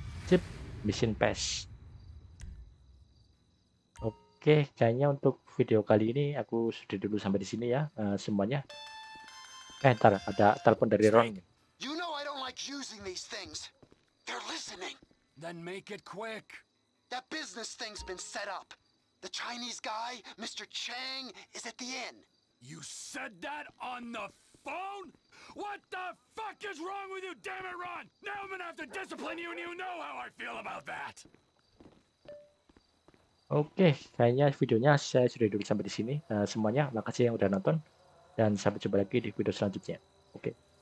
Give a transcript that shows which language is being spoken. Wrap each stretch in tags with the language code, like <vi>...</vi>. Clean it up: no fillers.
<id>Sip, mission pass. Oke, kayaknya untuk video kali ini aku sudah dulu sampai di sini ya, semuanya. Ntar ada telepon dari Ron.</id> <en>You know I don't like using these things. They're listening. Then make it quick. That business thing's been set up. The Chinese guy, Mr. Chang, is at the inn. You said that on the phone? What the fuck is wrong with you, damn it, Ron? Now I'm gonna have to discipline you, and you know how I feel about that.</en> <id>Oke, kayaknya videonya saya sudah dulu sampai di sini. Semuanya, makasih yang udah nonton. Dan sampai jumpa lagi di video selanjutnya. Oke.</id>